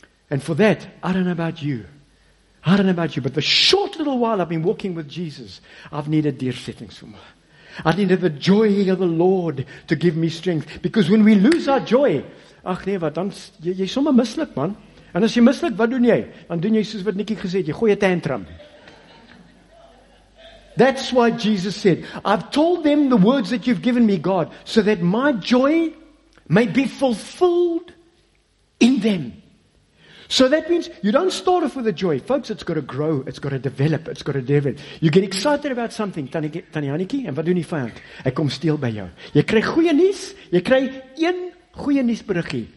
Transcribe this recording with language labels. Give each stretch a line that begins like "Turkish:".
English: And for that, I don't know about you, but the short little while I've been walking with Jesus, I've needed deursettingsvermoë. I needed the joy of the Lord to give me strength. Because when we lose our joy,
Afrikaans: ach nee, wat dan, jy sommer misluk, man. En as jy mislik, wat doen jy? Dan doen jy soos wat Nikki gesê het, jy gooi 'n tantrum.
English: That's why Jesus said, I've told them the words that you've given me, God, so that my joy may be fulfilled in them. So that means you don't start off with a joy. Folks, it's got to grow, it's got to develop, it's got to develop. You get excited about something,
Afrikaans: Tanianiki, en wat doen die vyand? Hy kom steel by jou. Jy kry goeie nuus, jy kry een goeie nuusberiggie.